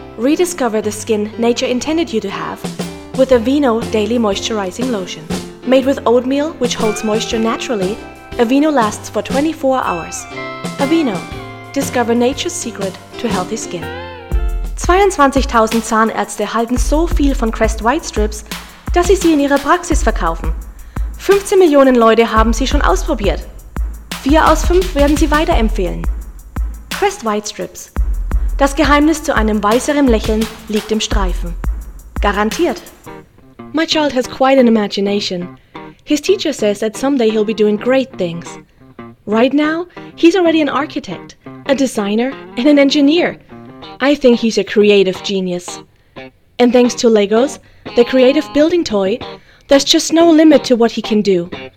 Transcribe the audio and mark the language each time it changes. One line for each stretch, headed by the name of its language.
English: Rediscover the skin nature intended you to have with Aveeno Daily Moisturizing Lotion. Made with oatmeal, which holds moisture naturally, Aveeno lasts for 24 hours. Aveeno. Discover nature's secret to healthy skin.
German: 22.000 Zahnärzte halten so viel von Crest White Strips, dass sie sie in ihrer Praxis verkaufen. 15 Millionen Leute haben sie schon ausprobiert. 4 aus 5 werden sie weiterempfehlen. Crest White Strips. Das Geheimnis zu einem weißeren Lächeln liegt im Streifen. Garantiert.
English: My child has quite an imagination. His teacher says that someday he'll be doing great things. Right now, he's already an architect, a designer, and an engineer. I think he's a creative genius. And thanks to Legos, the creative building toy, there's just no limit to what he can do.